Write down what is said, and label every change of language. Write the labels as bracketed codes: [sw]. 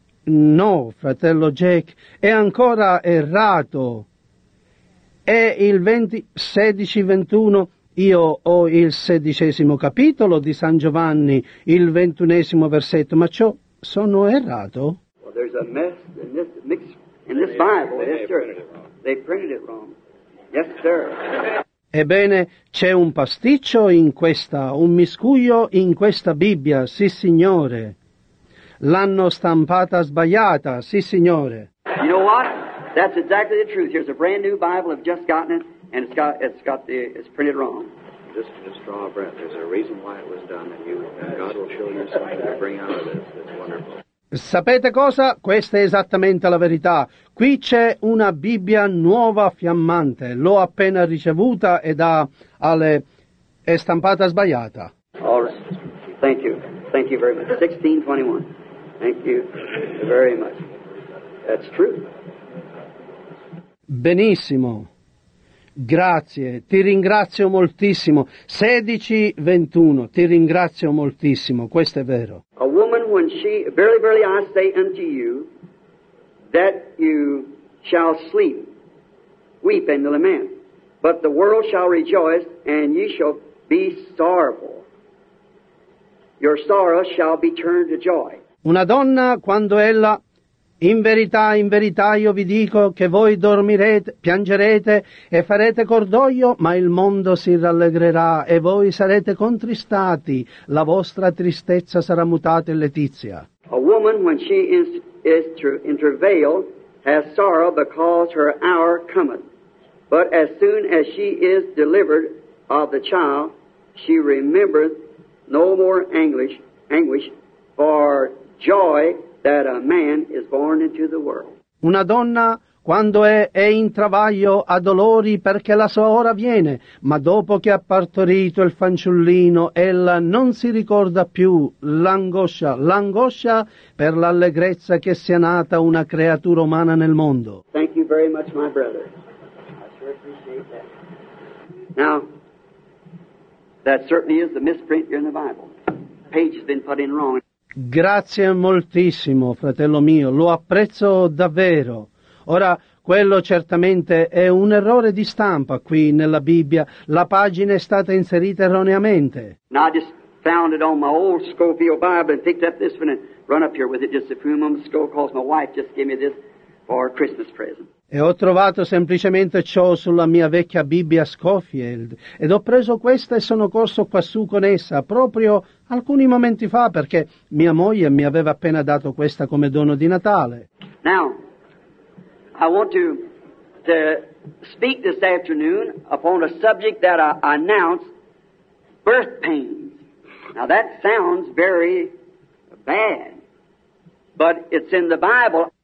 [it] No, fratello Jack, è ancora errato. È il 16:21. Io ho il sedicesimo capitolo di San Giovanni, il ventunesimo versetto, ma ciò sono errato? [en] Well, there's a mess in this, mix, in this Bible, yes, sir. They printed it wrong. Yes, sir. [it] Ebbene, c'è un pasticcio in questa, un miscuglio in questa Bibbia, sì, signore. L'hanno stampata sbagliata, sì signore. [en] You know what? That's exactly the truth. Here's a brand new Bible. I've just gotten it, and it's printed wrong. Just draw a breath. There's a reason why it was done, and you, and God will show you something to bring out of this. It's wonderful. [it] Sapete cosa? Questa è esattamente la verità. Qui c'è una Bibbia nuova, fiammante. L'ho appena ricevuta ed è stampata sbagliata. [en] All right. Thank you. Thank you very much. 16:21. Thank you very much. That's true. [it] Benissimo. Grazie. Ti ringrazio moltissimo. 16:21. Ti ringrazio moltissimo. Questo è vero. [en] A woman, when she, verily, verily, I say unto you, that you shall sleep, weep and lament, but the world shall rejoice, and ye shall be sorrowful. Your sorrow shall be turned to joy. [it] Una donna, quando ella, in verità io vi dico che voi dormirete, piangerete e farete cordoglio, ma il mondo si rallegrerà e voi sarete contristati, la vostra tristezza sarà mutata in letizia. [en] A woman, when she is in travail, has sorrow because her hour cometh, but as soon as she is delivered of the child, she remembereth no more anguish for joy that a man is born into the world. [it] Una donna, quando è in travaglio, ha dolori perché la sua ora viene, ma dopo che ha partorito il fanciullino, ella non si ricorda più l'angoscia per l'allegrezza che sia nata una creatura umana nel mondo. [en] Thank you very much, my brother. I sure appreciate that. Now, that certainly is the misprint here in the Bible. Page has been put in wrong. [it] Grazie moltissimo, fratello mio, lo apprezzo davvero. Ora, quello certamente è un errore di stampa qui nella Bibbia. La pagina è stata inserita erroneamente. [en] Now I just found it on my old Scofield Bible and picked up this one and run up here with it just a few moments ago because my wife just gave me this for our Christmas present. [it] E ho trovato semplicemente ciò sulla mia vecchia Bibbia Scofield ed ho preso questa e sono corso quassù con essa proprio alcuni momenti fa perché mia moglie mi aveva appena dato questa come dono di Natale. [en] Now, I want to to speak this afternoon upon a subject that I announced, birth pains. Now, that sounds very bad, but it's in the Bible.